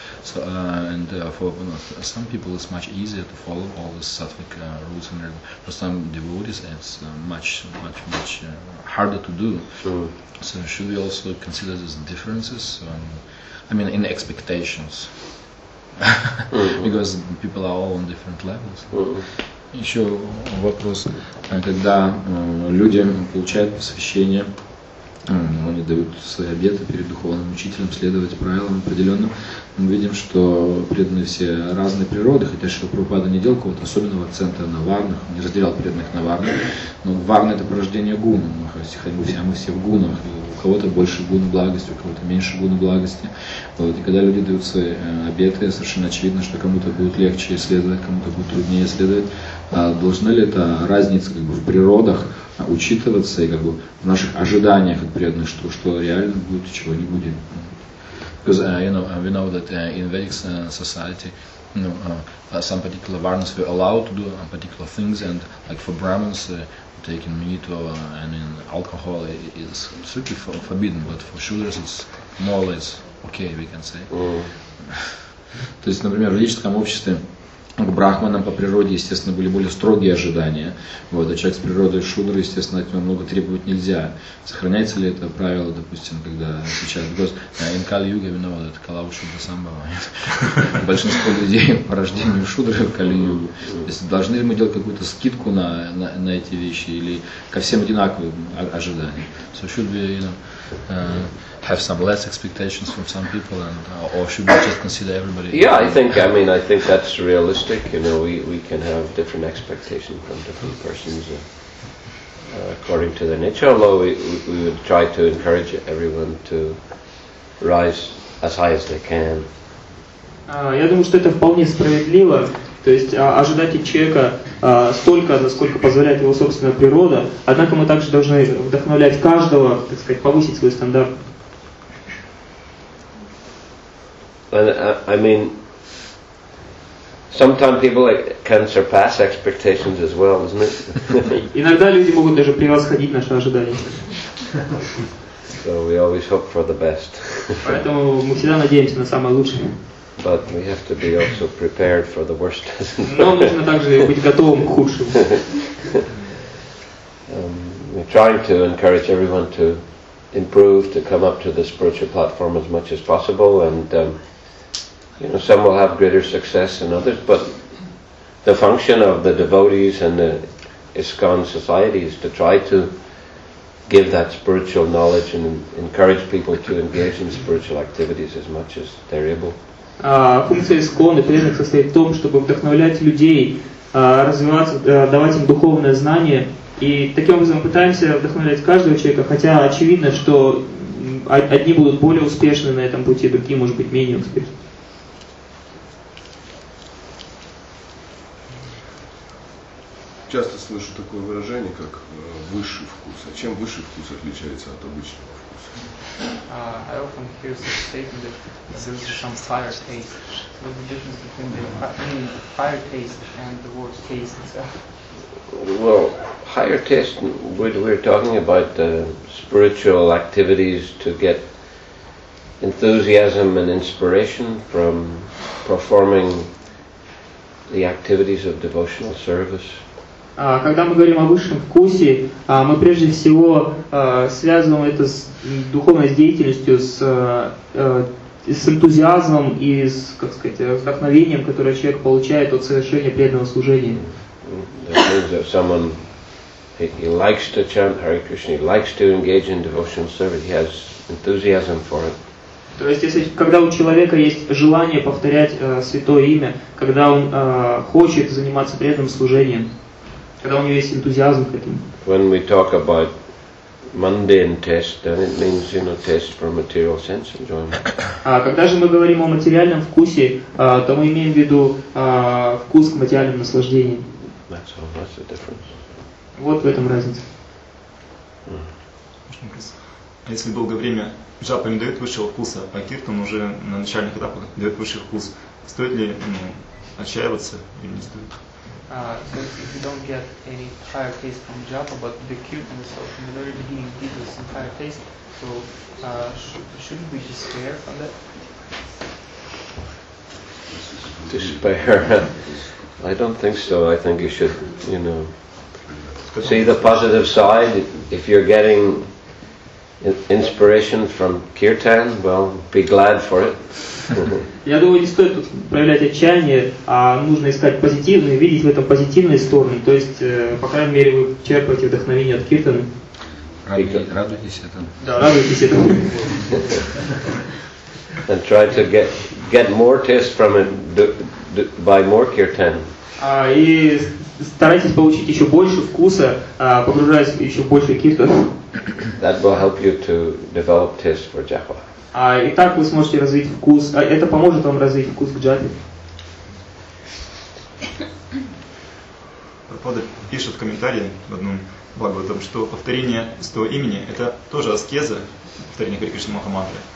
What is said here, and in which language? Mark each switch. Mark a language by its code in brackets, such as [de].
[en] So for, you know, some people it's much easier to follow all the sattvic rules, and for some devotees it's much harder to do. Sure. So should we also consider these differences, I mean, in expectations? Because people are all on different levels. [ru] Еще вопрос, когда люди получают посвящение, они дают свои обеты перед духовным учителем, следовать правилам определенным, мы видим, что преданные все разные природы, хотя Шрила Прабхупада не делал какого-то особенного акцента на варнах, не разделял преданных на варнах, но варна – это порождение гуна, мы все в гунах, и у кого-то больше гуна благости, у кого-то меньше гуна благости. Вот. И когда люди дают свои обеты, совершенно очевидно, что кому-то будет легче исследовать, кому-то будет труднее исследовать. А должна ли эта разница как бы в природах учитываться и как бы в наших ожиданиях от преданных, что реально будет, чего не будет? [en] Because you know, we know that in Vedic society, you know, some particular varnas were allowed to do particular things, and like for Brahmins, taking meat or alcohol is strictly forbidden. But for Shudras, it's more or less okay, we can say. [ru] То есть, например, в ведическом обществе к брахманам по природе, естественно, были более строгие ожидания. Вот, а человек с природой шудры, естественно, от него много требовать нельзя. Сохраняется ли это правило, допустим, когда сейчас... [en] Because in Kali-Yuga, we know that [sa] Kala Shudra Sambhava. [ru] Большинство людей по рождению шудры в Kali-Yuga. То есть должны ли мы делать какую-то скидку на эти вещи или ко всем одинаковые ожидания? [en] So should we, you know, have some less expectations from some people, or should we just consider everybody? Yeah, I think that's realistic. You know, we can have different expectations from different persons according to their nature. Although we would try to encourage everyone to rise as high as they can. [ru] Я думаю, что это вполне справедливо. То есть ожидать от человека столько, насколько позволяет его собственная природа. Однако мы также должны вдохновлять каждого, так сказать, повысить свой стандарт. [en] I mean, sometimes people can surpass expectations as well, isn't it? [ru] Иногда люди могут даже превосходить наши ожидания. [en] So we always hope for the best. [ru] Поэтому мы всегда надеемся на самое лучшее. [en] But we have to be also prepared for the worst. [ru] Но нужно также быть готовым к худшему. [en] We're trying to encourage everyone to improve, to come up to the spiritual platform as much as possible, and you know, some will have greater success than others, but the function of the devotees and the ISKCON society is to try to give that spiritual knowledge and encourage people to engage in spiritual activities as much as they're able. [ru] Функция ISKCON и преданных состоит в том, чтобы вдохновлять людей развиваться, давать им духовное знание, и таким образом пытаемся вдохновлять каждого человека, хотя очевидно, что одни будут более успешны на этом пути, другие, может быть, менее успешны. Часто слышу такое выражение, как высший вкус. А чем высший вкус отличается от обычного вкуса? [en] I often hear such statement that there is some higher taste. What's the difference between the higher taste and the worst taste itself? Well, higher taste, we're talking about the spiritual activities to get enthusiasm and inspiration from performing the activities of devotional service. [ru] Когда мы говорим о высшем вкусе, мы прежде всего связываем это с духовной деятельностью, с энтузиазмом и с, как сказать, вдохновением, которое человек получает от совершения преданного служения. [en] That means that someone he likes to chant Hare Krishna, he likes to engage in devotional service, he has enthusiasm for it. [ru] То есть, если, когда у человека есть желание повторять святое имя, когда он хочет заниматься преданным служением. Когда у него есть энтузиазм к этому. [en] When we talk about mundane taste, then it means, you know, taste for material sense enjoyment. [ru] Когда же мы говорим о материальном вкусе, то мы имеем в виду вкус к материальным наслаждениям. [en] That's all. That's the difference. [ru] Вот в этом разница. Если долгое время джапа не дает высшего вкуса, а киртан уже на начальных этапах дает высший вкус, стоит ли отчаиваться или не стоит? [en] So if you don't get any higher taste from japa, but the kirtan itself in the very beginning gives us some higher taste, so shouldn't we despair from that? Despair? I don't think so. I think you should, you know, see the positive side. If you're getting inspiration from kirtan, well, be glad for it. [ru] Я думаю, не стоит тут проявлять отчаяние, а нужно искать позитивные, видеть в этом позитивные стороны. То есть, по крайней мере, вы черпаете вдохновение от киртаны. Радуйтесь этому. Да, радуйтесь этому. [en] And try to get more taste from it by more kirtan. [ru] И старайтесь получить еще больше вкуса, погружаясь в еще больше киртан. [en] That will help you to develop taste for japa. [ru] И так вы сможете развить вкус. Это поможет вам развить вкус к джапе. Пропада пишет в комментарии в одном благо о том, что повторение 100 имени – это тоже аскеза, повторение Хари Кришна Махамантры.